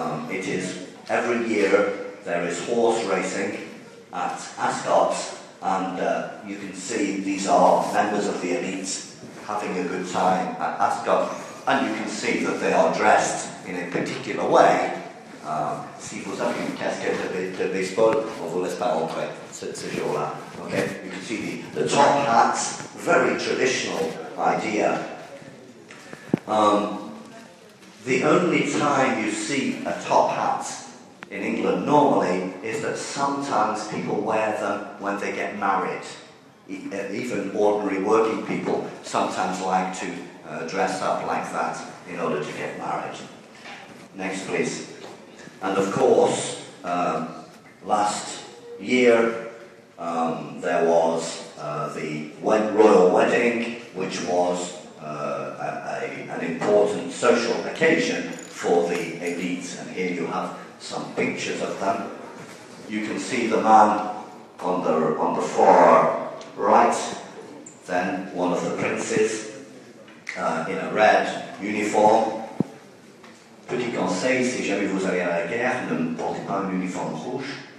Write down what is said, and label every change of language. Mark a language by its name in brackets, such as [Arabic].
[English] It is every year there is horse racing at Ascot. And you can see these are members of the elite having a good time at Ascot. And you can see that they are dressed in a particular way. [French] Si vous avez une casquette de baseball, on vous laisse pas entrer ce jour-là. [English] Okay? You can see the top hats, very traditional idea. The only time you see a top hat in England normally is that sometimes people wear them when they get married. Even ordinary working people sometimes like to dress up like that in order to get married. Next, please. And of course, last year there was the royal wedding, which was an important social occasion for the elites. And here you have some pictures of them. You can see the man on the far right, then one of the princes in a red uniform. [French] Petit conseil, si jamais vous allez à la guerre, ne portez pas un uniforme rouge.